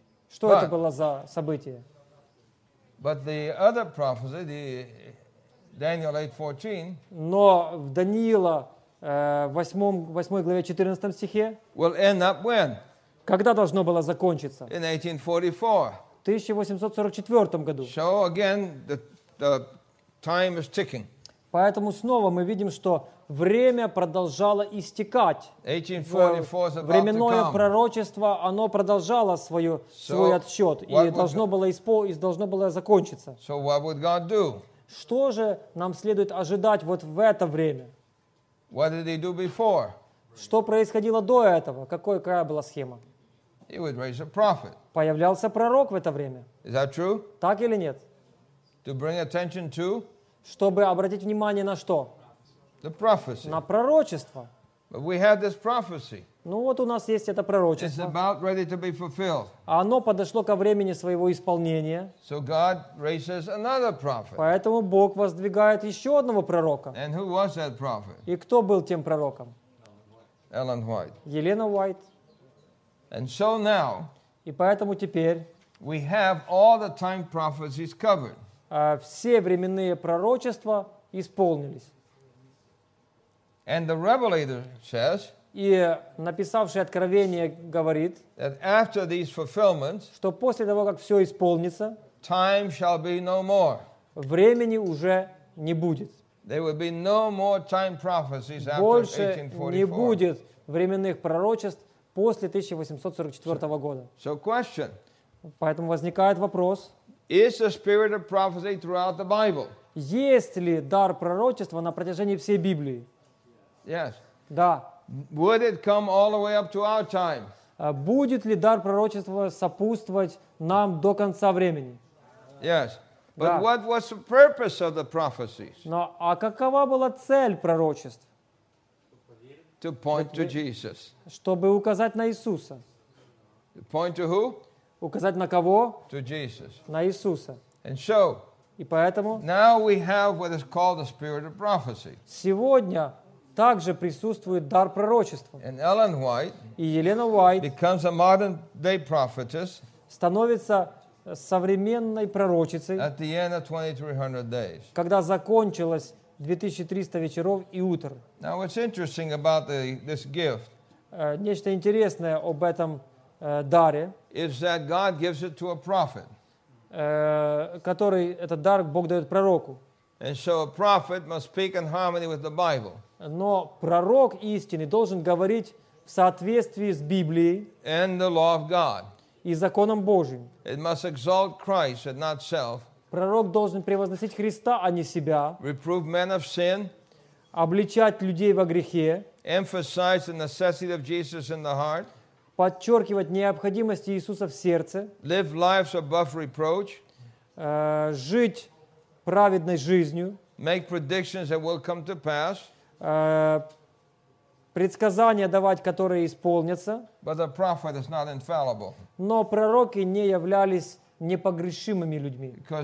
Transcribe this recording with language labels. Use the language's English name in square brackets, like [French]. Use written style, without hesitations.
[Russian] Что это было за событие? [English] But the other prophecy, the Daniel 8:14, [Russian] но в Даниила 8 главе 14 стихе. [English] Will end up when? [Russian] Когда должно было закончиться? [English] In 1844. [Russian] В 1844 году. [English] So again, the time is ticking. [Russian] Поэтому снова мы видим, что время продолжало истекать. [English] 1844 is about to [Russian] временное пророчество, оно продолжало свой отсчет и должно было закончиться. [English] So what would God do? [Russian] Что же нам следует ожидать вот в это время? [English] What did he do before? [Russian] Что происходило до этого? Какая была схема? [English] He would raise a prophet. [Russian] Появлялся пророк в это время. [English] Is that true? [Russian] Так или нет? [English] To bring attention to? [Russian] Чтобы обратить внимание на что? [English] The prophecy. [Russian] На пророчество. [English] But we have this prophecy. [Russian] Ну вот у нас есть это пророчество. [English] It's about ready to be fulfilled. [Russian] Оно подошло ко времени своего исполнения. [English] So God raises another prophet. [Russian] Поэтому Бог воздвигает еще одного пророка. [English] And who was that prophet? [Russian] И кто был тем пророком? Эллен Уайт. Елена Уайт. [English] And so now, [Russian] и поэтому теперь [English] we have all the time prophecies covered. [Russian] Все временные пророчества исполнились. [English] And the Revelator says, [Russian] и написавший Откровение говорит, [English] that after these fulfillments, [Russian] что после того, как все исполнится, [English] time shall be no more. [Russian] Времени уже не будет. [English] There will be no more time prophecies after 1844. [Russian] Больше не будет временных пророчеств после 1844 года. [English] So question. [Russian] Поэтому возникает вопрос. [English] Is the spirit of prophecy throughout the Bible? [Russian] Есть ли дар пророчества на протяжении всей Библии? [English] Yes. [Russian] Да. [English] Would it come all the way up to our time? [Russian] Будет ли дар пророчества сопутствовать нам до конца времени? [English] Yes. But [Russian] да. [English] What was the purpose of the prophecies? [Russian] Но а какова была цель пророчеств? [English] To point to Jesus. [Russian] Чтобы указать на Иисуса. [English] To point to who? [Russian] Указать на кого? [English] To Jesus. [Russian] На Иисуса. [English] And so. [Russian] И поэтому. [English] Now we have what is called the spirit of prophecy. [Russian] Сегодня также присутствует дар пророчества. [English] And Ellen White. [Russian] И Елена Уайт. [English] Becomes a modern day prophetess. [Russian] Становится современной пророчицей. [English] At the end of 2300 days. [Russian] Когда закончилось 2300 вечеров и утр. [English] Now, what's interesting about this gift? [Russian] Нечто интересное об этом даре. [English] Is that God gives it to a prophet? [Russian] Который этот дар Бог дает пророку. [English] And so a prophet must speak in harmony with the Bible. [Russian] Но пророк истины должен говорить в соответствии с Библией. [English] And the law of God. [Russian] И законом Божьим. [English] It must exalt Christ and not self. [Russian] Пророк должен превозносить Христа, а не себя. [English] Reprove men of sin. [Russian] Обличать людей во грехе. [English] Emphasize the necessity of Jesus in the heart. [Russian] Подчеркивать необходимость Иисуса в сердце. [English] Live lives above reproach. [Russian] Жить праведной жизнью. [English] Make predictions that will come to pass. [Russian] Предсказания давать, которые исполнятся. [English] But the prophet is not infallible. [Russian] Но пророки не являлись непогрешимыми людьми.